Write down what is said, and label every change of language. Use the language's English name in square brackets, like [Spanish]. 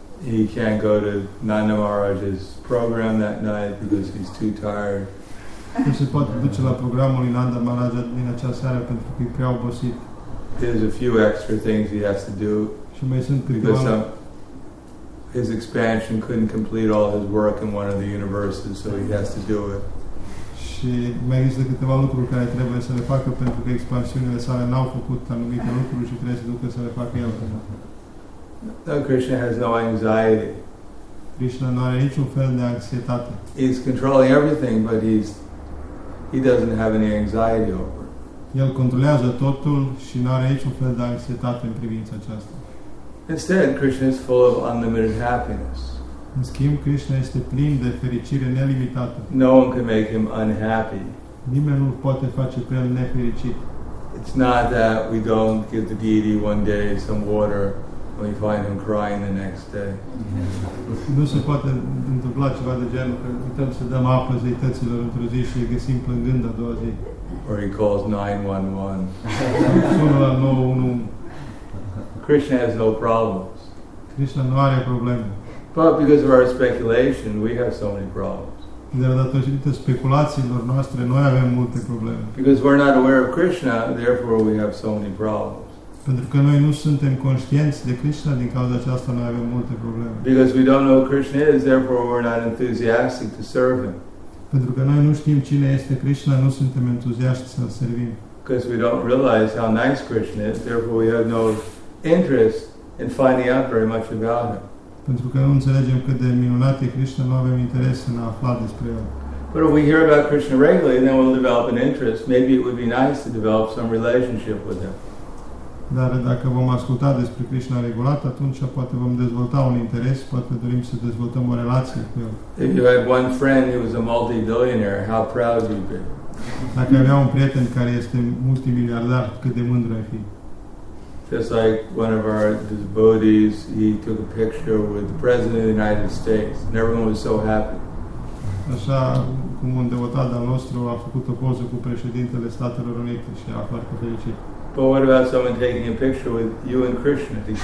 [English] He can't go to Nanda Maharaj's program that night because he's too tired. [Romanian] Nu se poate duce la programul lui Nanda Maharaj din acea seară pentru că e prea obosit. [English] There's a few extra things he has to do. [Romanian] Și mai sunt câteva. [English] Because his expansion couldn't complete all his work in one of the universes, so he has to do it. [Romanian] Și mai există câteva lucruri care trebuie să le facă pentru că expansiunile sale n-au făcut anumite lucruri și trebuie să ducă să le facă el. [English] No, Krishna has no anxiety. [Romanian] Krishna nu are niciun fel de anxietate. [English] He's controlling everything, but he doesn't have any anxiety over it. [Romanian] El controlează totul și nu are niciun fel de anxietate în privința aceasta. [English] Instead, Krishna is full of unlimited happiness. [Romanian] În schimb, Krishna este plin de fericire nelimitată. [English] No one can make him unhappy. [Romanian] Nimeni nu poate face pe el nefericit. [English] It's not that we don't give the deity one day some water and we find him crying the next day. [Romanian] Nu se poate întâmpla ceva de genul că uităm să dăm apă zeităților într-o zi și îi găsim plângând a doua zi. [English] Or he calls 911. [Romanian] Sună la 911. [English] Krishna has no problems. [Romanian] Krishna nu are probleme. [English] But because of our speculation, we have so many problems. [Romanian] Dar datorită speculațiilor noastre, noi avem multe probleme. [English] Because we're not aware of Krishna, therefore we have so many problems. [Romanian] Pentru că noi nu suntem conștienți de Krishna, din cauza aceasta noi avem multe probleme. [English] Because we don't know who Krishna is, therefore we're not enthusiastic to serve him. [Romanian] Pentru că noi nu știm cine este Krishna, nu suntem entuziaști să-l servim. [English] Because we don't realize how nice Krishna is, therefore we have no interest in finding out very much about him. [Romanian] Pentru că nu înțelegem cât de minunat e Krishna, nu avem interes în a afla despre el. [English] But if we hear about Krishna regularly, then we'll develop an interest. Maybe it would be nice to develop some relationship with him. [Romanian] Dar dacă vom asculta despre Krishna regulat, atunci poate vom dezvolta un interes, poate dorim să dezvoltăm o relație cu el. [English] If you had one friend who was a multi-billionaire, how proud you'd be. [Romanian] Dacă avea un prieten care este multimiliardar, cât de mândru ai fi. [English] Just like one of our devotees, he took a picture with the President of the United States, and everyone was so happy. [Romanian] Așa cum un devotat al nostru a făcut o poză cu președintele Statelor Unite și a foarte fericit. [English] But what about someone taking a picture with you and Krishna?